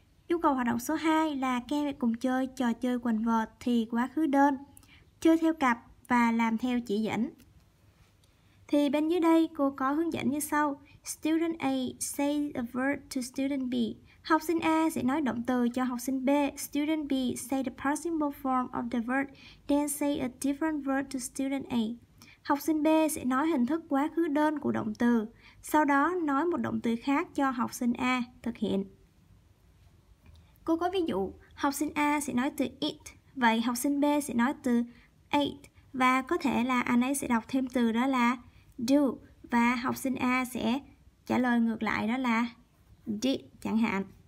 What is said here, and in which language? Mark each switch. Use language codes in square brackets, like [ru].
[vi] Yêu cầu hoạt động số 2 là các em hãy cùng chơi trò chơi quần vợt thì quá khứ đơn, chơi theo cặp và làm theo chỉ dẫn. Thì bên dưới đây cô có hướng dẫn như sau. [en] Student A say a verb to student B. [vi] Học sinh A sẽ nói động từ cho học sinh B. [en] Student B say the past simple form of the verb, then say a different verb to student A. [vi] Học sinh B sẽ nói hình thức quá khứ đơn của động từ, sau đó nói một động từ khác cho học sinh A thực hiện. Cô có ví dụ, học sinh A sẽ nói từ eat, vậy học sinh B sẽ nói từ ate, và có thể là anh ấy sẽ đọc thêm từ đó là do, và học sinh A sẽ trả lời ngược lại đó là did chẳng hạn.